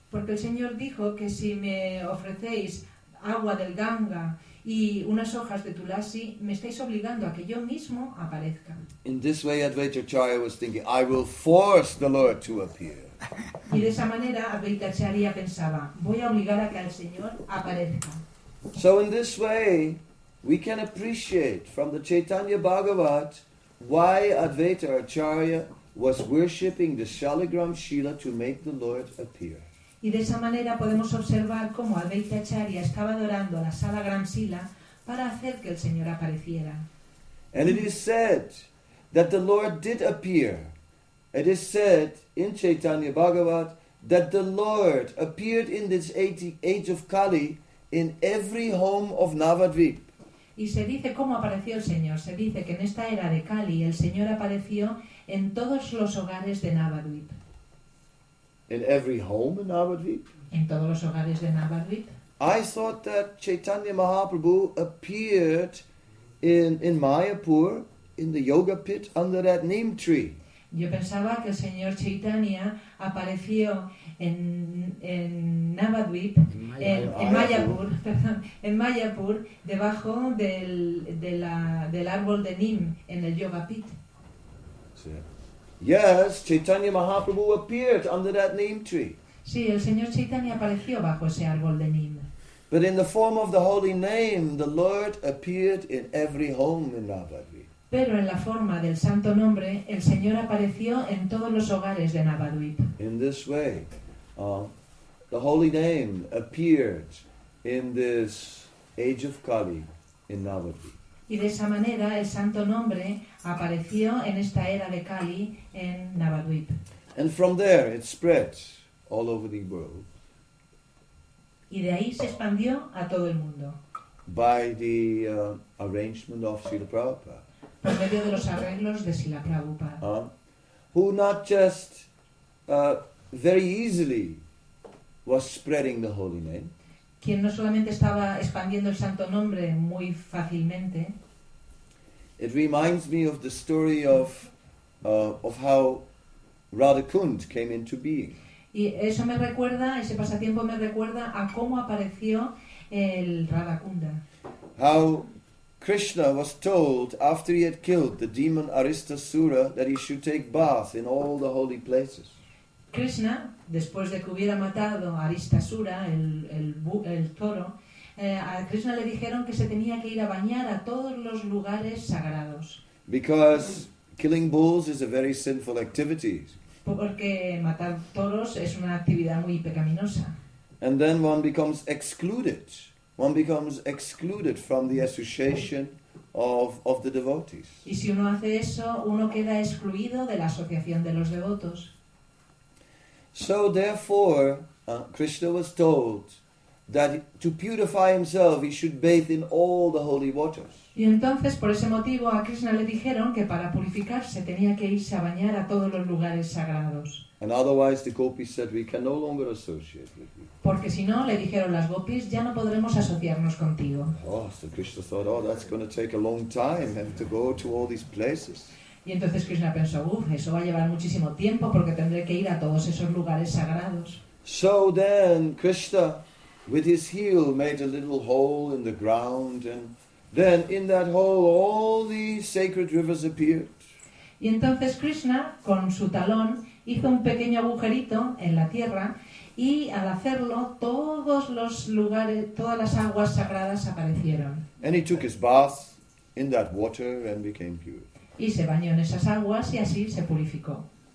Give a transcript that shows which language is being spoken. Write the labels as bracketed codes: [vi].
[es] Porque el Señor dijo que si me ofrecéis agua del Ganga y unas hojas de tulasi, me estáis obligando a que yo mismo aparezca. [en] In this way, Advaita Acharya was thinking, I will force the Lord to appear. [es] Y de esa manera, Advaita Acharya pensaba, voy a obligar a que el Señor aparezca. [en] So in this way, we can appreciate from the Chaitanya Bhagavat why Advaita Acharya was worshipping the Shaligram Shila to make the Lord appear. [es] Y de esa manera podemos observar cómo Advaita Acharya estaba adorando a la Shaligram Shila para hacer que el Señor apareciera. [en] And it is said that the Lord did appear. It is said in Chaitanya Bhagavat that the Lord appeared in this age of Kali in every home of Navadvip. [es] Y se dice cómo apareció el Señor. Se dice que en esta era de Kali el Señor apareció en todos los hogares de Navadvip. [en] In every home in Navadvip? [es] En todos los hogares de Navadvip. [en] I thought that Chaitanya Mahaprabhu appeared in Mayapur in the yoga pit under that neem tree. [es] Yo pensaba que el Señor Chaitanya apareció en Navadvip, en Mayapur, debajo del árbol de Nim, en el Yoga Pit. Sí. [en] Yes, Chaitanya Mahaprabhu appeared under that Nim tree. [es] Sí, el Señor Chaitanya apareció bajo ese árbol de Nim. [en] But in the form of the holy name, the Lord appeared in every home in Navadvip. [es] Pero en la forma del santo nombre, el Señor apareció en todos los hogares de Navadvip. [en] In this way, the holy name appeared in this age of Kali in Navadvip. [es] Y de esa manera, el santo nombre apareció en esta era de Kali en Navadvip. [en] And from there, it spread all over the world. [es] Y de ahí se expandió a todo el mundo. [en] By the arrangement of Srila Prabhupada. [es] Por medio de los arreglos de Srila Prabhupada. [en] Who not just very easily was spreading the holy name. [es] Quien no solamente estaba expandiendo el santo nombre muy fácilmente. [en] It reminds me of the story of how Radhakund came into being. [es] Y eso me recuerda, ese pasatiempo me recuerda a cómo apareció el Radhakunda. [en] How Krishna was told after he had killed the demon Aristasura that he should take bath in all the holy places. [es] Krishna, después de que hubiera matado a Aristasura, el toro, a Krishna le dijeron que se tenía que ir a bañar a todos los lugares sagrados. [en] Because killing bulls is a very sinful activity. [es] Porque matar toros es una actividad muy pecaminosa. [en] And then one becomes excluded. One becomes excluded from the association of the devotees. [es] Y si uno hace eso, uno queda excluido de la asociación de los devotos. [en] So therefore, Krishna was told that to purify himself, he should bathe in all the holy waters. [es] Y entonces, por ese motivo, a Krishna le dijeron que para purificarse tenía que irse a bañar a todos los lugares sagrados. [en] And otherwise, the gopis said, we can no longer associate with you. [es] Porque si no, le dijeron las gopis, ya no podremos asociarnos contigo. [en] Oh, so Krishna thought, oh, that's going to take a long time and to go to all these places. [es] Y entonces Krishna pensó, eso va a llevar muchísimo tiempo porque tendré que ir a todos esos lugares sagrados. [en] So then, Krishna, with his heel, made a little hole in the ground, and then in that hole, all the sacred rivers appeared. [es] Y entonces Krishna, con su talón, hizo un pequeño agujerito en la tierra y al hacerlo todos los lugares, todas las aguas sagradas aparecieron. [en] And he took his bath in that water and became pure. [es] Y se bañó en esas aguas y así se purificó.